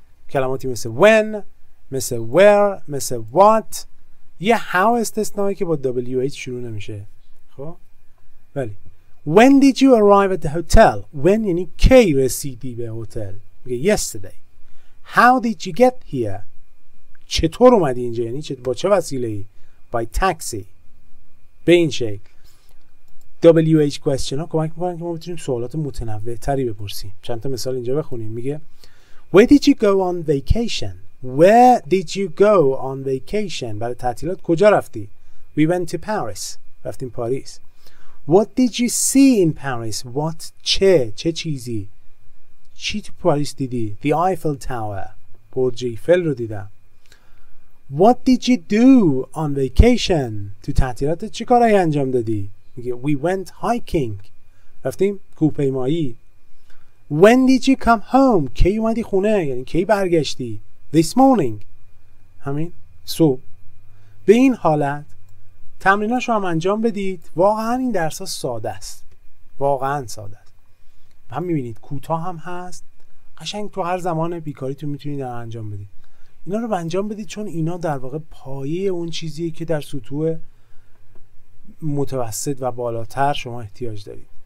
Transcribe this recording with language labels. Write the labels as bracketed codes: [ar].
[fa] کلماتی مثل when، مثل where، مثل what. یه how استثنایی که با WH شروع نمیشه. خب ولی [en] When did you arrive at the hotel؟ When [fa] یعنی کی رسیدی به هتل؟ [en] میگه yesterday. How did you get here؟ [fa] چطور اومدی اینجا؟ یعنی با چه وسیله ای؟ [en] By taxi. [fa] به این شکل WH question ها کمک میکنن که ما بتونیم سوالات متنوع تری بپرسیم. چند تا مثال اینجا بخونیم. [en] میگه Where did you go on vacation؟ Where did you go on vacation؟ [fa] برای تعطیلات کجا رفتی؟ [en] We went to Paris. [fa] رفتیم پاریس. [en] What did you see in Paris؟ What [fa] چه چیزی؟ چی تو پاریس دیدی؟ [en] The Eiffel Tower. [fa] برج ایفل رو دیدم. [en] What did you do on vacation؟ [fa] تو تعطیلات چه کارهایی انجام دادی؟ میگه [en] We went hiking. [fa] رفتیم کوهپیمایی. [en] When did you come home؟ [fa] کی اومدی خونه؟ یعنی کی برگشتی؟ [en] This morning. [fa] همین صبح. به این حالت تمریناشو هم انجام بدید. واقعا این درس ها ساده است. واقعا ساده است. هم میبینید کوتاه هم هست. قشنگ تو هر زمان بیکاری تو میتونید انجام بدید. اینا رو انجام بدید چون اینا در واقع پایه اون چیزیه که در سطوح متوسط و بالاتر شما احتیاج دارید.